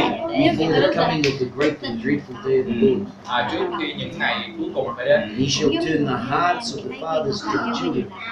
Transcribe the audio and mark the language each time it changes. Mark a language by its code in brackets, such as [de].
[en] Before the coming of the great and dreadful day of the Lord. [vi] Trước khi những ngày cuối cùng phải đến. [en] He shall turn the hearts of the fathers to the children.